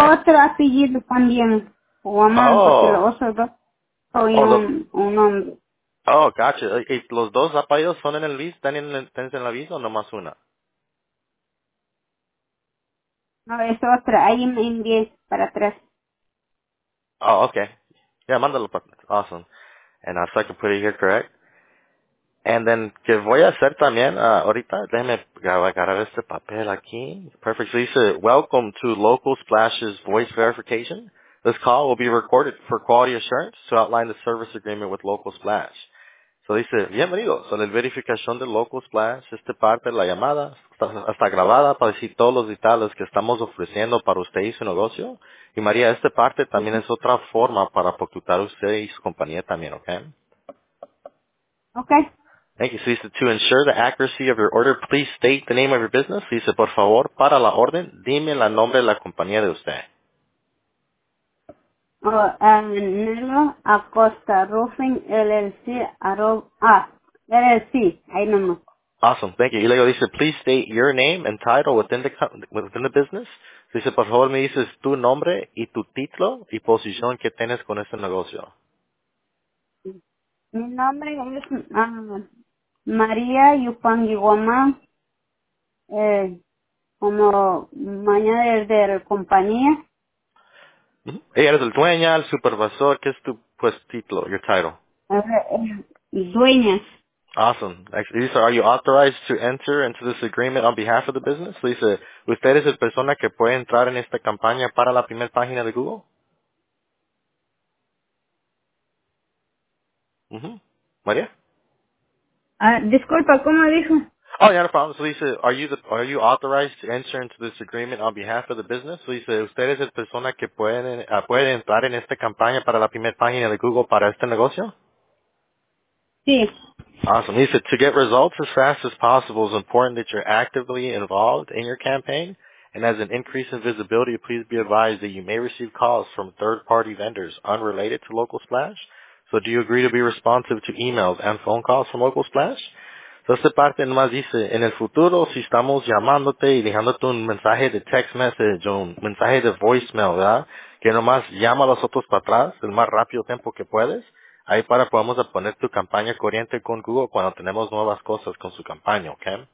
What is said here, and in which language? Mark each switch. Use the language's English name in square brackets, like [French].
[Spanish] otro apellido también, Guamán, porque los otros soy Oh, lo. un hombre. [English] Oh, gotcha. [Spanish] ¿Y los dos apellidos son en el visa, están en la visa o nomás una? No, es otra, ahí me envié para atrás. [English] Oh, okay. [Spanish] Mándalo para. [English] Awesome. And I'll start to put it here correct. [Spanish] And then, ¿qué voy a hacer también? Ahorita, déjeme agarrar este papel aquí. Perfect. [English] So, [Spanish] dice, [English] Welcome to Local Splash's Voice Verification. This call will be recorded for quality assurance to outline the service agreement with Local Splash. [Spanish] So dice, bienvenido, son la verificación de Local Splash. Esta parte de la llamada está grabada para decir todos los detalles que estamos ofreciendo para usted y su negocio. Y María, esta parte también es otra forma para facturar usted y su compañía también, ¿ok? [English] Okay. Thank you. So Lisa, to ensure the accuracy of your order, please state the name of your business. [Spanish] Lisa, por favor, para la orden, dime la nombre de la compañía de usted. Nilo Acosta Roofing LLC, LLC, ahí nomás. [English] Awesome, thank you. [Spanish] Y luego dice, [English] please state your name and title within the business. [Spanish] Dice, por favor, me dices tu nombre y tu título y posición que tienes con este negocio. Mi nombre es María Yupangiwama, como manager de la compañía. Ella es el dueña, el supervisor. ¿Qué es tu título, [English] your title? [Spanish] Dueña. [English] Awesome. Lisa, are you authorized to enter into this agreement on behalf of the business? [Spanish] Lisa, ¿usted es la persona que puede entrar en esta campaña para la primera página de Google? María? Disculpa, ¿cómo dijo? [English] Oh, yeah, no problem. So Lisa, are you authorized to enter into this agreement on behalf of the business? [Spanish] Lisa, ¿usted es la persona que puede entrar en esta campaña para la primera página de Google para este negocio? Sí. [English] Awesome. Lisa, to get results as fast as possible, it's important that you're actively involved in your campaign. And as an increase in visibility, please be advised that you may receive calls from third-party vendors unrelated to Local Splash. So do you agree to be responsive to emails and phone calls from Local Splash? [Spanish] So esta parte nomás dice, en el futuro, si estamos llamándote y dejándote un mensaje de text message o un mensaje de voicemail, ¿verdad? Que nomás llama a los otros para atrás el más rápido tiempo que puedes. Ahí para podamos poner tu campaña corriente con Google cuando tenemos nuevas cosas con su campaña, ¿ok?